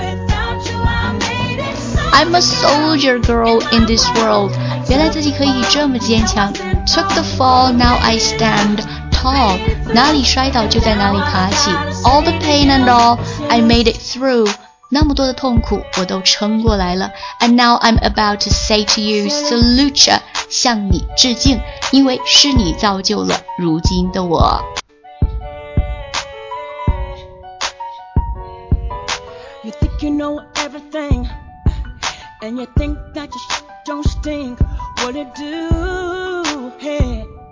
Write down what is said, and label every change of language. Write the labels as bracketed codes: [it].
[en] I'm a soldier girl in this world. [zh] 原来自己可以这么坚强。 [en] Took the fall, now I stand tall. [zh] 哪里摔倒就在哪里爬起。 [en] All the pain and all, I made it through. [zh] 那么多的痛苦我都撑过来了。 [en] And now I'm about to say to you, salute you, [zh] 向你致敬，因为是你造就了如今的我。 [en] You think you know everything. And you think that your shit don't stink, what it do, hey.